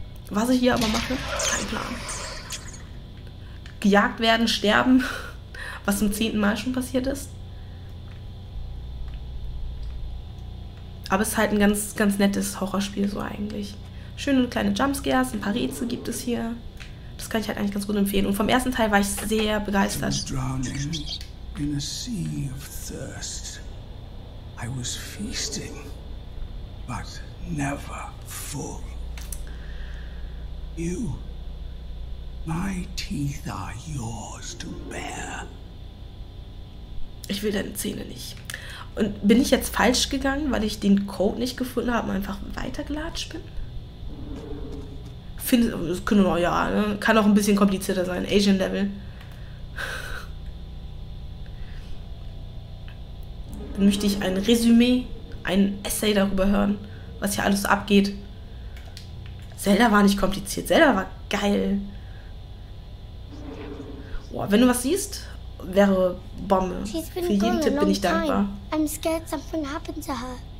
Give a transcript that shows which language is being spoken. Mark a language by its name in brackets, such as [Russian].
[German] Was ich hier aber mache, kein Plan. Gejagt werden, sterben, was zum 10. Mal schon passiert ist. Aber es ist halt ein ganz, ganz nettes Horrorspiel so eigentlich. Schöne kleine Jumpscares, ein paar Rätsel gibt es hier. Das kann ich halt eigentlich ganz gut empfehlen. Und vom ersten Teil war ich sehr begeistert. [English] In a sea of thirst, I was feasting, but never full. You, my teeth are yours to bear. [German] Ich will deine Zähne nicht. Und bin ich jetzt falsch gegangen, weil ich den Code nicht gefunden habe und einfach weitergelatscht bin? Findest, das können wir, ja, ne? Kann auch ein bisschen komplizierter sein. Asian Level. Dann möchte ich ein Resümee, ein Essay darüber hören, was hier alles so abgeht. Zelda war nicht kompliziert. Zelda war geil. Boah, wenn du was siehst, wäre Bombe. Für jeden Tipp bin ich dankbar. [English] I'm scared something happened to her.